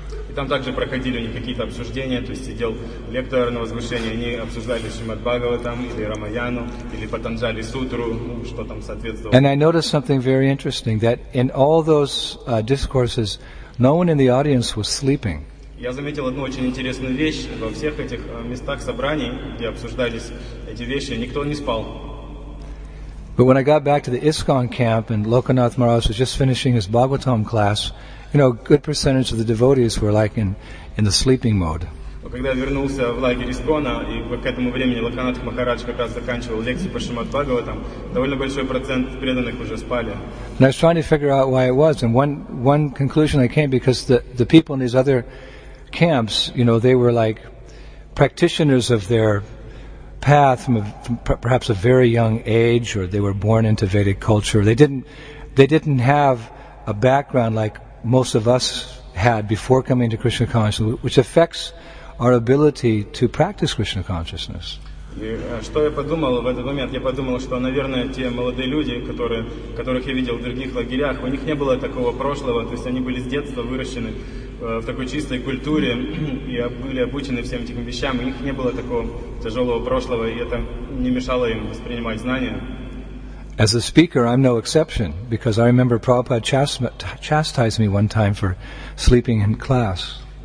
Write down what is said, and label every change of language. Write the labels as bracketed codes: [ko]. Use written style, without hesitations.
[ru] И там также проходили у них какие-то обсуждения, то есть сидел лектор на возвышении, они обсуждали Шримад Бхагаватам или Рамаяну или Патанджали Сутру, ну, что там соответствовало. [en] And I noticed something very interesting, that in all those discourses, no one in the audience was sleeping. [ru] Я заметил одну очень интересную вещь: во всех этих местах собраний, где обсуждались эти вещи, никто не спал. [en] But when I got back to the ISKCON camp and Lokanath Maharaj was just finishing his Bhagavatam class, you know, a good percentage of the devotees were like in the sleeping mode. [ru] Когда я вернулся в лагерь ИСККОНа, и к этому времени Локанатх Махарадж как раз заканчивал лекцию по Шримад Бхагаватам, довольно большой процент преданных уже спали. [en] And I was trying to figure out why it was, and one conclusion I came, because the people in these other camps, you know, they were like practitioners of their path from perhaps a very young age, or they were born into Vedic culture. They didn't have a background like most of us had before coming to Krishna consciousness, which affects our ability to practice Krishna consciousness. [ru] И что я подумал в этот момент? Я подумал, что, наверное, те молодые люди, которых я видел в других лагерях, у них не было такого прошлого, то есть они были с детства выращены в такой чистой культуре и были обучены всем этим вещам, у них не было такого тяжелого прошлого, и это не мешало им воспринимать знания. [en] As a speaker, I'm no exception, because I remember Prabhupada chastised me one time for sleeping in class.